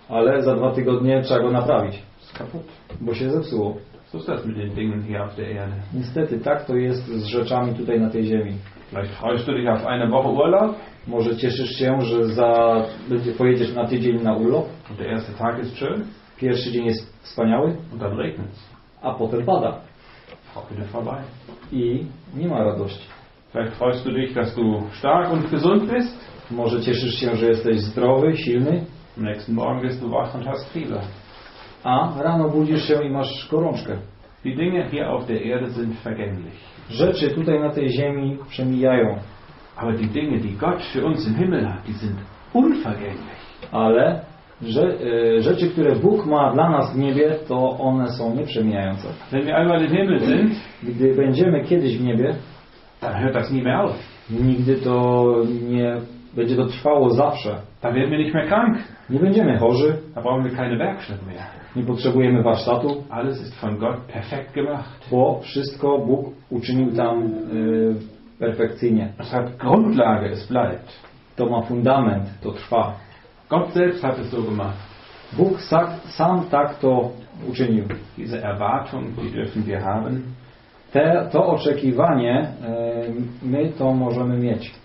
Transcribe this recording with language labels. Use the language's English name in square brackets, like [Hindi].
[Polish] Ale za dwa tygodnie trzeba go naprawić. [German] Ist kaputt. [Polish] Bo się zepsuło. [German] So ist das mit den Dingen hier auf der Erde. [Polish] Niestety, tak to jest z rzeczami tutaj na tej ziemi. [German] Vielleicht freust du dich auf eine Woche Urlaub? [Polish] Może cieszysz się, że pojedziesz na tydzień na urlop. [German] Und der erste Tag ist schön. [Polish] Pierwszy dzień jest wspaniały. [German] Und dann regnet's. [Polish] A potem pada. [German] Vorbei. [Polish] I nie ma radości. [German] Vielleicht freust du dich, dass du stark und gesund bist. [Polish] Może cieszysz się, że jesteś zdrowy, silny. [German] Am nächsten Morgen wirst du wach und hast Fieber. [Polish] A rano budzisz się i masz gorączkę. [German] Die Dinge hier auf der Erde sind vergänglich. [Polish] Rzeczy tutaj na tej ziemi przemijają. [German] Aber die Dinge, die Gott für uns im Himmel hat, die sind unvergänglich. [Polish] Ale rzeczy, które Bóg ma dla nas w niebie, to one są nieprzemijające. [German] Wenn wir einmal im Himmel sind, [Polish] gdy będziemy kiedyś w niebie, [German] dann hört das nie mehr auf. [Polish] Nigdy to nie będzie to trwało zawsze. [German] Dann werden wir nicht mehr krank. [Polish] Nie będziemy chorzy. [German] Dann brauchen wir keine Werkstatt mehr. [Polish] Nie potrzebujemy warsztatu. [German] Alles ist von Gott perfekt gemacht. [Polish] Bo wszystko Bóg uczynił tam perfekcyjnie. [German] Es hat Grundlage, es bleibt. [Polish] To ma fundament, to trwa. [German] Gott selbst hat es so gemacht. [Polish] Bóg sam tak to uczynił. [German] Diese Erwartung, die dürfen wir haben. [Polish] To oczekiwanie, my to możemy mieć.